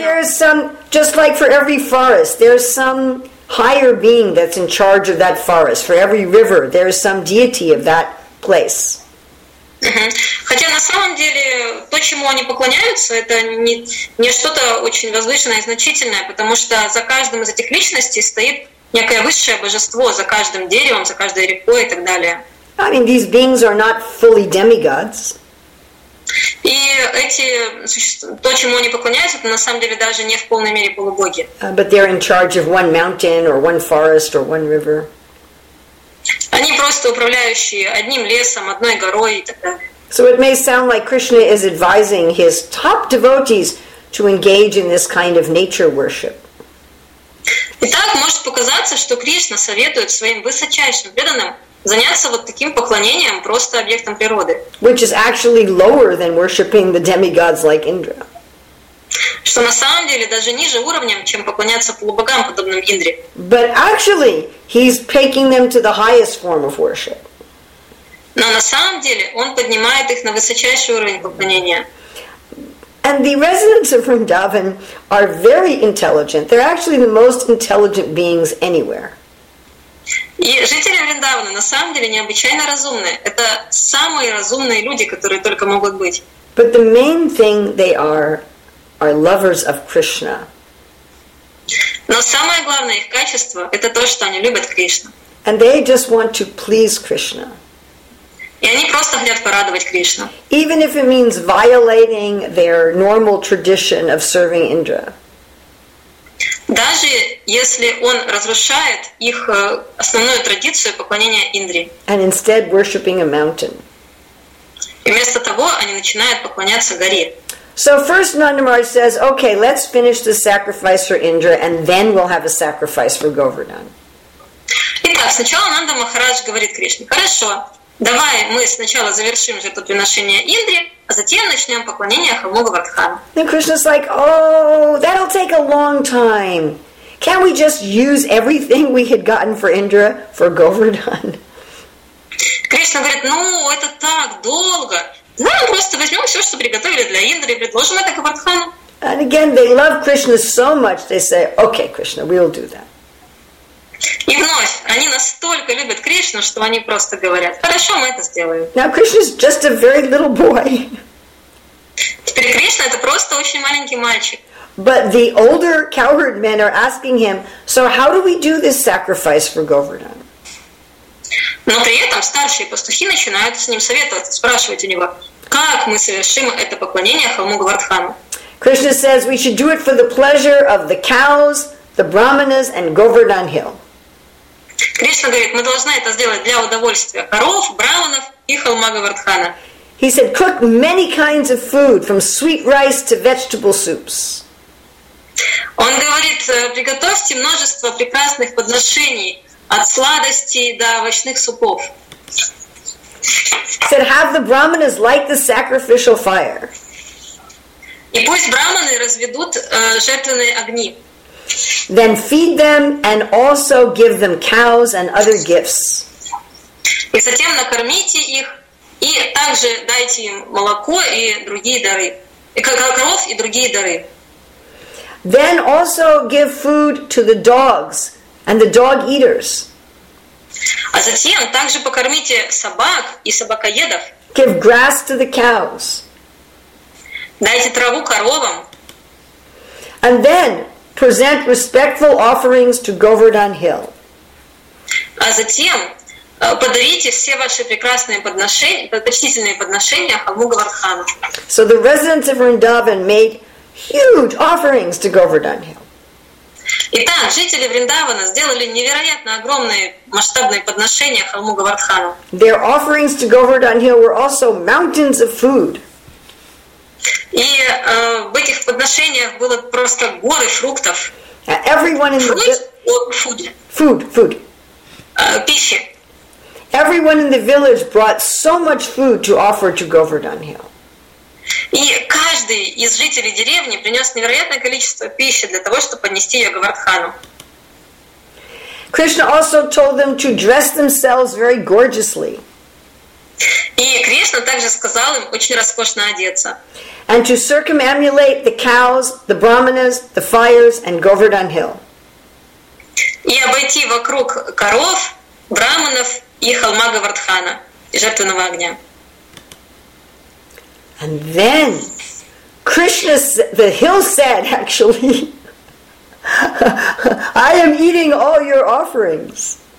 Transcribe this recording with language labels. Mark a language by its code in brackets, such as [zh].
[en] There is some, just like for every forest, there's some higher being that's in charge of that forest. For every river, there is some deity of that place. [ru] Хотя на самом деле то, чему они поклоняются, это не что-то очень возвышенное и значительное, потому что за каждым из этих личностей стоит некое высшее божество, за каждым деревом, за каждой рекой и так далее. [en] I mean, these beings are not fully demigods. [ru] И эти существа, то, чему они поклоняются, это на самом деле даже не в полной мере полубоги. [en] But they're in charge of one mountain or one forest or one river. [ru] Они просто управляющие одним лесом, одной горой и так далее. [en] So it may sound like Krishna is advising his top devotees to engage in this kind of nature worship. [ru] Итак, может показаться, что Кришна советует своим высочайшим преданным заняться вот таким поклонением просто объектом природы. [en] Which is actually lower than worshiping the demigods like Indra. [ru] Что на самом деле даже ниже уровнем, чем поклоняться полубогам, подобным Индре. [en] But actually, he's taking them to the highest form of worship. [ru] Но на самом деле он поднимает их на высочайший уровень поклонения. [en] And the residents of Vrindavan are very intelligent. They're actually the most intelligent beings anywhere. [ru] И жители Вриндавана на самом деле необычайно разумные. Это самые разумные люди, которые только могут быть. [en] But the main thing they are lovers of Krishna. [ru] Но самое главное их качество — это то, что они любят Кришну. [en] And they just want to please Krishna. [ru] И они просто хотят порадовать Кришну. [en] Even if it means violating their normal tradition of serving Indra. [ru] Даже если он разрушает их основную традицию поклонения Индре. [en] And instead worshiping a mountain. [ru] И вместо того они начинают поклоняться горе. [en] So first Nanda Maharaj says, okay, let's finish the sacrifice for Indra and then we'll have a sacrifice for Govardhan. [ru] Итак, сначала Нанда Махарадж говорит Кришне, хорошо, давай мы сначала завершим жертвоприношение Индре, а затем начнем поклонение холму Говардхана. [en] And Krishna's like, oh, that'll take a long time. Can't we just use everything we had gotten for Indra for Govardhan? [ru] Кришна говорит, ну, это так долго. Да, просто возьмем все, что приготовили для Индры, и предложим это Говардхану. [en] And again, they love Krishna so much, they say, okay, Krishna, we'll do that. [ru] И вновь, они настолько любят Кришну, что они просто говорят, хорошо, мы это сделаем. [en] Now, Krishna's just a very little boy. [ru] Теперь Кришна — это просто очень маленький мальчик. [en] But the older cowherd men are asking him, so how do we do this sacrifice for Govardhan? [ru] Но при этом старшие пастухи начинают с ним советоваться, спрашивать у него, как мы совершим это поклонение холму Говардхану. [en] Krishna says we should do it for the pleasure of the cows, the brahmanas, and Govardhan Hill. [ru] Кришна говорит, мы должны это сделать для удовольствия коров, браманов и холма Говардхана. [en] He said, cook many kinds of food, from sweet rice to vegetable soups. [ru] Он говорит, приготовьте множество прекрасных подношений, от сладостей до овощных супов. [en] He said, have the brahmanas light the sacrificial fire. [ru] И пусть браманы разведут жертвенные огни. [en] Then feed them and also give them cows and other gifts. [ru] И затем накормите их и также дайте им молоко и другие дары. И коров и другие дары. [en] Then also give food to the dogs and the dog eaters. [ru] А затем также покормите собак и собакоедов. [en] Give grass to the cows. [ru] Дайте траву коровам. [en] And then present respectful offerings to Govardhan Hill. [ru] А затем подарите все ваши прекрасные подношения, почтительные подношения холму Говардхану. [en] So the residents of Vrindavan made huge offerings to Govardhan Hill. [ru] Итак, жители Вриндавана сделали невероятно огромные масштабные подношения холму Говардхану. [en] Their offerings to Govardhan Hill were also mountains of food. [ru] И в этих подношениях было просто горы фруктов. [en] Everyone in [ru] food. Пищи. [en] Everyone in the village brought so much food to offer to Govardhan Hill. [ru] И каждый из жителей деревни принес невероятное количество пищи для того, чтобы поднести ее Говардхану. [en] Krishna also told them to dress themselves very gorgeously. [ru] И Кришна также сказал им очень роскошно одеться. [en] And to circumambulate the cows, the brahmanas, the fires, and Govardhan Hill. [ru] И обойти вокруг коров, браманов и холма Говардхана, жертвенного огня. [en] And then Krishna, the hill said, actually, I am eating all your offerings.